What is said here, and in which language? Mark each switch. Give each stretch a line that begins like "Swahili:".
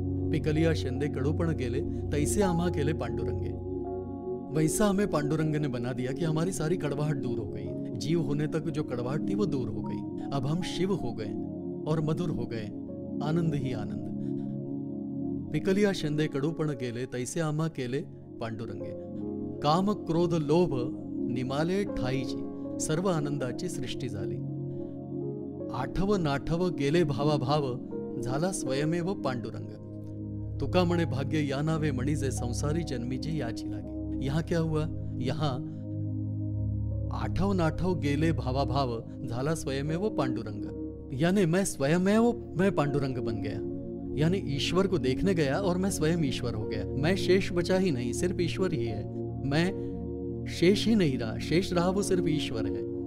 Marathi: पिकलिया शेंदे कड़ूपण गेले तैसे आमा केले पांडुरंगे,
Hindi: वैसा हमें पांडुरंग ने बना दिया कि हमारी सारी कड़वाहट दूर हो गई। जीव होने तक जो कड़वाहट थी वो दूर हो गई, अब हम शिव हो गए और मधुर हो गए, आनंद ही आनंद।
Marathi: पिकलिया शेंदे कड़ूपण केले तैसे आमा केले पांडुरंगे, काम क्रोध लोभ निमाले ठाई जी सर्व आनंदाची सृष्टि झाली, आठव नाठव गेले भावा भाव झाला स्वयमेव पांडुरंग, तुका मणे भाग्य यानावे मणिजे संसारी जन्मीजी याची लागे।
Hindi: यहाँ क्या हुआ, यहाँ
Marathi: आठव नाठव गेले भावा भाव झाला स्वयमेव पांडुरंग,
Hindi: यानी मैं स्वयमेव मैं पांडुरंग बन गया, यानी ईश्वर को देखने गया और मैं स्वयं ईश्वर हो गया। मैं शेष बचा ही नहीं, सिर्फ ईश्वर ही है, मैं शेष ही नहीं रहा, शेष रहा वो सिर्फ ईश्वर है।